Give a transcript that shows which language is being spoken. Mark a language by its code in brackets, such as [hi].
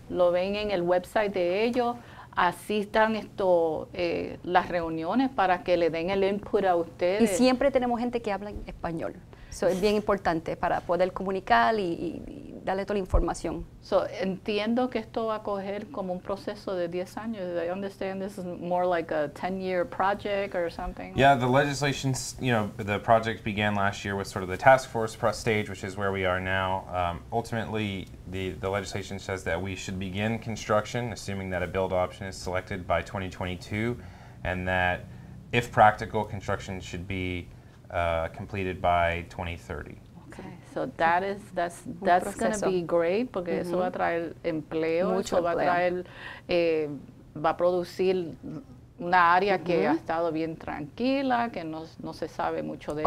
[es] Lo ven en el website de ellos, asistan esto, las reuniones para que le den el input a ustedes. Y siempre tenemos gente que habla en español. Eso es bien importante para poder comunicar y darle toda la información. So, entiendo que esto va a coger como un proceso de 10 años. [en] I understand this is more like a 10-year project or something. Yeah, the legislation's, you know, the project began last year with sort of the task force press stage, which is where we are now. Ultimately, the legislation says that we should begin construction, assuming that a build option is selected by 2022, and that if practical, construction should be completed by 2030. Okay. So So that is that's going to be great [es] porque eso va a traer empleo, mucho eso va empleo. A traer va a producir una área que ha estado bien tranquila, que no, no se sabe mucho de